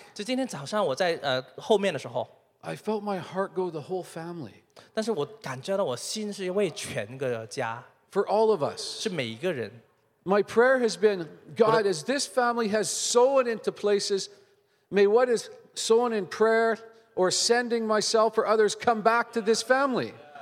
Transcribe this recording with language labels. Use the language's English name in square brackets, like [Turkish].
[Chinese] 就今天早上我在后面的时候, [English] I felt my heart go to the whole family. [Chinese] 但是我感觉到我心是为全个家, [English] for all of us. [Chinese] 是每一个人。 [English] My prayer has been, God, as this family has sown into places, may what is sown in prayer or sending myself or others come back to this family.